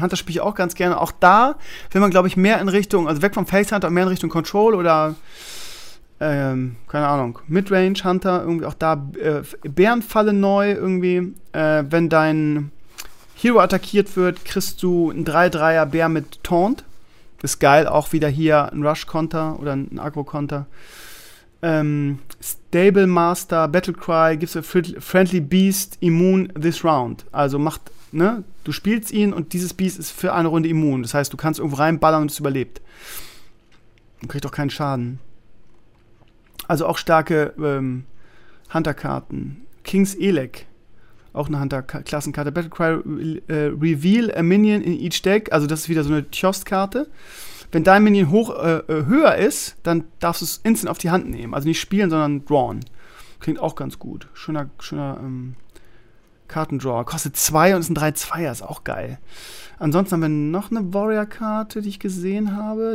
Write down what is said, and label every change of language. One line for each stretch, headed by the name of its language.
German: Hunter spiele ich auch ganz gerne. Auch da will man, glaube ich, mehr in Richtung, also weg vom Face Hunter, mehr in Richtung Control oder, keine Ahnung, Midrange Hunter, irgendwie auch da Bärenfalle neu irgendwie. Wenn dein Hero attackiert wird, kriegst du einen 3-3er Bär mit Taunt. Ist geil, auch wieder hier ein Rush-Konter oder ein Aggro-Konter.
English: Stable Master, Battlecry, gives a friendly beast immune this round.
German: Also macht, ne, du spielst ihn und dieses Beast ist für eine Runde immun. Das heißt, du kannst irgendwo reinballern und es überlebt. Und kriegt auch keinen Schaden. Also auch starke Hunter-Karten. King's Elec, auch eine Hunter-Klassenkarte.
English: Battlecry, reveal a minion in each deck.
German: Also das ist wieder so eine Tjost-Karte. Wenn dein Minion höher ist, dann darfst du es instant auf die Hand nehmen. Also nicht spielen, sondern drawn. Klingt auch ganz gut. Schöner Kartendraw. Kostet 2 und ist ein 3-2er. Ist auch geil. Ansonsten haben wir noch eine Warrior-Karte, die ich gesehen habe.